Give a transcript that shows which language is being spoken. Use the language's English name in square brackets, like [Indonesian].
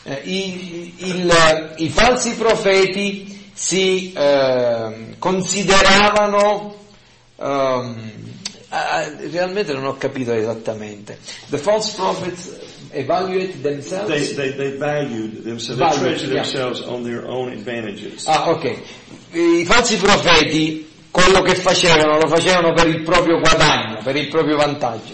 [Italian] I falsi profeti si consideravano realmente non ho capito esattamente. [English] The false prophets evaluate themselves. They valued themselves. Valued, they treasured, yeah, themselves on their own advantages. Ah, ok. [Italian] I falsi profeti, quello che facevano, lo facevano per il proprio guadagno, per il proprio vantaggio.